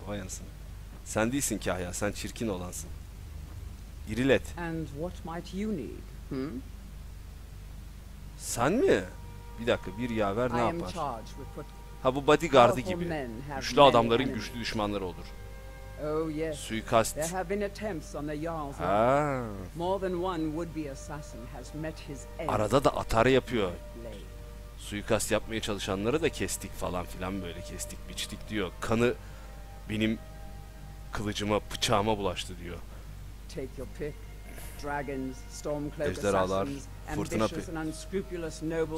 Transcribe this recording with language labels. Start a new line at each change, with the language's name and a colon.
Turkish: Vay anasını. Sen değilsin Kahya. Sen çirkin olansın. İrilet.
English: And what might you need?
Turkish: Sen mi? Bir dakika, bir yaver ne yapar? Ha, bu bodyguard'ı gibi. Güçlü adamların güçlü düşmanları olur.
English: Oh yes.
Turkish: Suikast.
English: There have been attempts on the yard. More than one would be assassin has met his end.
Turkish: Arada da atar yapıyor. Suikast yapmaya çalışanları da kestik falan filan, böyle kestik, biçtik diyor. Kanı benim kılıcıma, bıçağıma bulaştı diyor.
English: Take your pick. Dragons, Stormcloak
Turkish: ejderhalar, fırtına pe-